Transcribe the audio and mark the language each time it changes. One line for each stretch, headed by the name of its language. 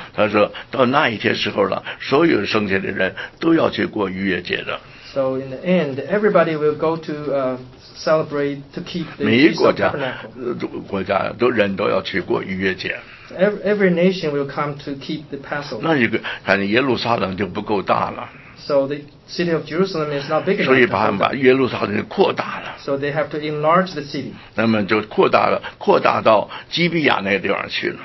Chinese: 他说到那一天时候了，所有剩下的人都要去过逾越节的。
English: So in the end, everybody will go to celebrate to keep the feast of tabernacle.
Chinese: 每国家都人都要去过逾越节。
English: Every nation will come to keep the Passover.
Chinese: 那一个看耶路撒冷就不够大了。
English: So the city of Jerusalem is not big enough.
Chinese: 所以把耶路撒冷扩大了。
English: So they have to enlarge the city.
Chinese: 那么就扩大了，扩大到基比亚那个地方去了。